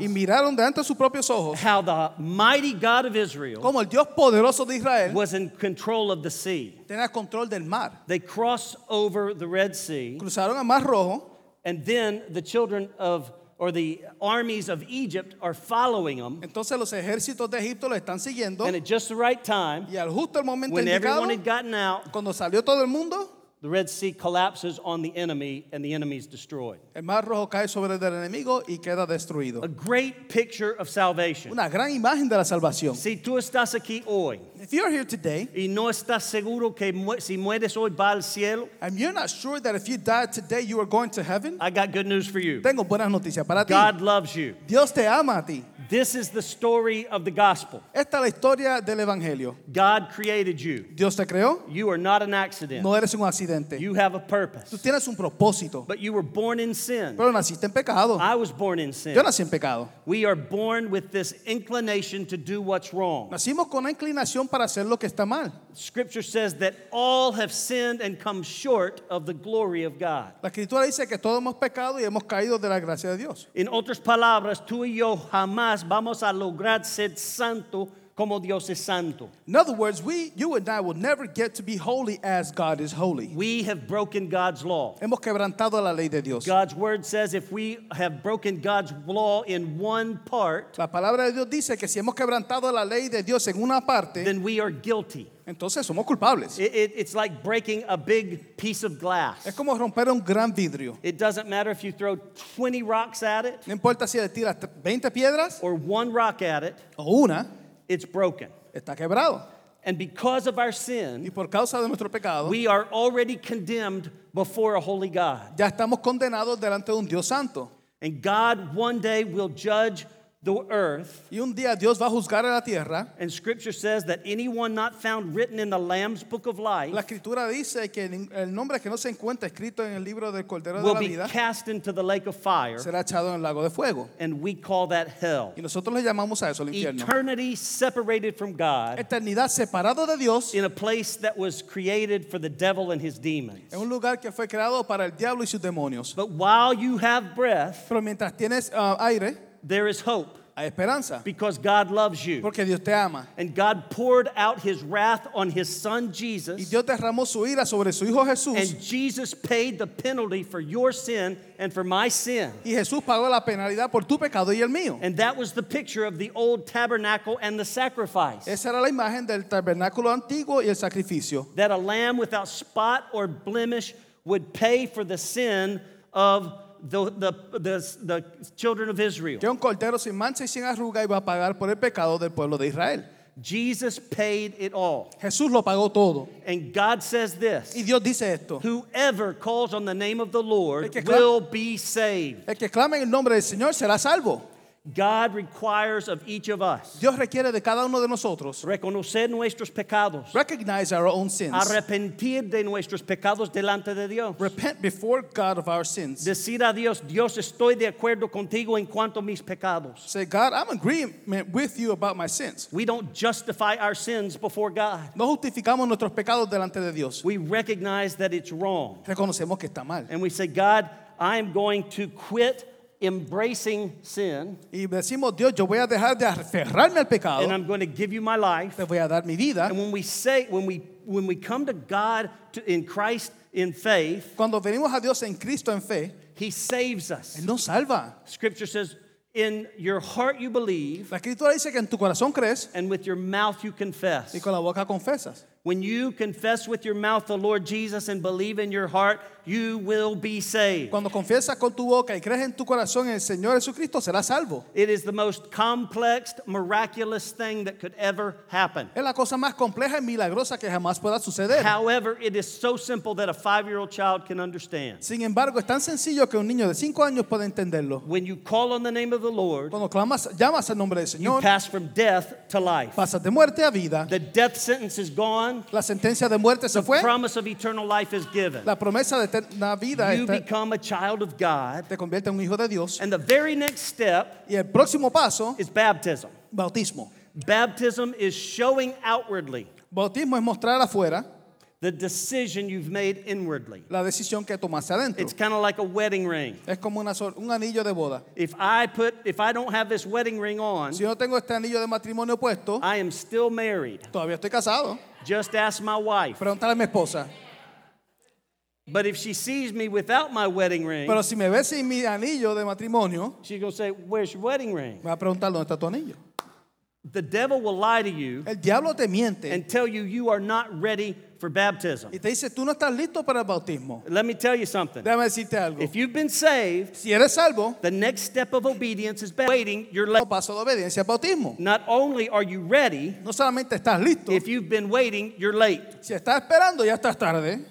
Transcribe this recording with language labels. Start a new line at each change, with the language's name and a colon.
Spanish: Y miraron delante de sus propios ojos.
English: How the mighty God of Israel.
Spanish: Como el Dios poderoso de Israel.
English: Was in control of the sea.
Spanish: Tenía control del mar.
English: They crossed over the Red Sea.
Spanish: Cruzaron el Mar Rojo.
English: And then the children of or the armies of Egypt are following them.
Spanish: Entonces los ejércitos de Egipto lo están siguiendo.
English: And at just the right time.
Spanish: Y al justo el momento
English: when
Spanish: indicado.
English: When everyone had gotten out.
Spanish: Cuando salió todo el mundo.
English: The Red Sea collapses on the enemy and the enemy is destroyed.
Spanish: El Mar Rojo cae sobre el enemigo y queda destruido.
English: A great picture of salvation.
Spanish: Una gran imagen de la salvación. Si tú estás aquí hoy.
English: If you're here today.
Spanish: Y no estás seguro que si mueres hoy va al cielo.
English: And you're not sure that if you die today you are going to heaven. I got good news for you.
Spanish: Tengo buenas noticias para ti.
English: God loves you.
Spanish: Dios te ama a ti.
English: This is the story of the gospel.
Spanish: Esta es la historia del evangelio.
English: God created you.
Spanish: Dios te creó.
English: You are not an accident.
Spanish: No eres un accidente.
English: You have a purpose.
Spanish: Tú tienes un propósito.
English: But you were born in sin.
Spanish: Pero naciste en pecado.
English: I was born in sin.
Spanish: Yo nací en pecado.
English: We are born with this inclination to do what's wrong.
Spanish: Nacimos con la inclinación para hacer lo que está mal.
English: Scripture says that all have sinned and come short of the glory of God.
Spanish: La escritura dice que todos hemos pecado y hemos caído de la gracia de Dios. En otras palabras, tú y yo jamás vamos a lograr ser santo como Dios es santo.
English: In other words, you and I will never get to be holy as God is holy. We have broken God's law.
Spanish: Hemos quebrantado la ley de Dios.
English: God's word says if we have broken God's law in one part,
Spanish: la palabra de Dios dice que si hemos quebrantado la ley de Dios en una parte,
English: then we are guilty.
Spanish: Entonces somos culpables.
English: It's like breaking a big piece of glass.
Spanish: Es como romper un gran vidrio.
English: It doesn't matter if you throw 20 rocks at it.
Spanish: No importa si le tiras 20 piedras.
English: Or one rock at it.
Spanish: O una.
English: It's broken.
Spanish: Está quebrado.
English: And because of our sin,
Spanish: y por causa de nuestro pecado,
English: we are already condemned before a holy God.
Spanish: Ya estamos condenados delante de un Dios santo.
English: And God one day will judge the earth.
Spanish: Y un día Dios va a juzgar a la tierra.
English: And scripture says that anyone not found written in the Lamb's book of life,
Spanish: la escritura dice que el nombre que no se encuentra escrito en el libro del Cordero de la Vida,
English: will be cast into the lake of fire,
Spanish: será echado en el lago de fuego.
English: And we call that hell.
Spanish: Y nosotros le llamamos a eso el infierno.
English: Eternity separated from God,
Spanish: eternidad separado de Dios,
English: in a place that was created for the devil and his demons,
Spanish: en un lugar que fue creado para el diablo y sus demonios.
English: But while you have breath,
Spanish: pero mientras tienes aire,
English: there is hope.
Spanish: Hay esperanza.
English: Because God loves you.
Spanish: Porque Dios te ama.
English: And God poured out his wrath on his son Jesus.
Spanish: Y Dios derramó su ira sobre su hijo Jesús.
English: And Jesus paid the penalty for your sin and for my sin.
Spanish: Y Jesús pagó la penalidad por tu pecado y el mío.
English: And that was the picture of the old tabernacle and the sacrifice.
Spanish: Esa era la imagen del tabernáculo antiguo y el sacrificio.
English: That a lamb without spot or blemish would pay for the sin of the children of Israel.
Spanish: Que un cordero sin mancha y sin arruga iba a pagar por el pecado del pueblo de Israel.
English: Jesus paid it all.
Spanish: Jesús lo pagó todo.
English: And God says this.
Spanish: Y Dios dice esto.
English: Whoever calls on the name of the Lord will be saved.
Spanish: El que clame en el nombre del Señor será salvo.
English: God requires of each of us.
Spanish: Dios requiere de cada uno de nosotros. Reconocer nuestros pecados.
English: Recognize our own sins.
Spanish: Arrepentir de nuestros pecados delante de Dios.
English: Repent before God of our sins.
Spanish: Decir a Dios, Dios, estoy de acuerdo contigo en cuanto a mis pecados.
English: Say, God, I'm agreement with you about my sins. We don't justify our sins before God.
Spanish: No justificamos nuestros pecados delante de Dios.
English: We recognize that it's wrong.
Spanish: Reconocemos que está mal.
English: And we say, God, I am going to quit embracing sin.
Spanish: Y decimos, Dios, yo voy a dejar de aferrarme al pecado.
English: And I'm going to give you my life.
Spanish: Te voy a dar mi vida.
English: And when we come to God in Christ in faith,
Spanish: cuando venimos a Dios en Cristo en fe,
English: he saves us.
Spanish: Él nos salva.
English: Scripture says, in your heart you believe.
Spanish: La escritura dice que en tu corazón crees.
English: And with your mouth you confess.
Spanish: Y con la boca confesas.
English: When you confess with your mouth the Lord Jesus and believe in your heart, you will be saved.
Spanish: Cuando confiesas con tu boca y crees en tu corazón en el Señor Jesucristo, serás salvo.
English: It is the most complex, miraculous thing that could ever happen.
Spanish: Es la cosa más compleja y milagrosa que jamás pueda suceder.
English: However, it is so simple that a 5-year-old child can understand.
Spanish: Sin embargo, es tan sencillo que un niño de 5 años pueda entenderlo.
English: When you call on the name of the Lord,
Spanish: cuando clamas, llamas el nombre del Señor,
English: you pass from death to life.
Spanish: Pasas de muerte a vida.
English: The death sentence is gone.
Spanish: La sentencia de muerte se fue.
English: The promise of eternal life is given.
Spanish: La promesa de eterna vida.
English: You become a child of God.
Spanish: Te convierte en un hijo de Dios.
English: And the very next step,
Spanish: y el próximo paso,
English: is baptism.
Spanish: Bautismo.
English: Baptism is showing outwardly.
Spanish: Bautismo es mostrar afuera.
English: The decision you've made inwardly.
Spanish: La decisión que tomaste adentro.
English: It's kind of like a wedding ring.
Spanish: Es como un anillo de boda.
English: If I don't have this wedding ring on,
Spanish: si no tengo este anillo de matrimonio puesto,
English: I am still married.
Spanish: Todavía estoy casado.
English: Just ask my wife.
Spanish: Pregúntale a mi esposa.
English: But if she sees me without my wedding ring,
Spanish: pero si me ve sin mi anillo de matrimonio,
English: she's going to say, where's your wedding ring?
Spanish: Me va a preguntar, ¿dónde está tu anillo?
English: The devil will lie to you.
Spanish: El diablo te miente.
English: And tell you you are not ready for baptism.
Spanish: Y te dice, tú no estás listo para el bautismo.
English: Let me tell you something.
Spanish: Déjame decirte algo.
English: If you've been saved,
Spanish: si eres salvo,
English: the next step of obedience is waiting. Your next
Spanish: paso de obediencia es bautismo.
English: Not only are you ready,
Spanish: no solamente estás listo.
English: If you've been waiting, you're late. Si estás esperando, ya estás tarde.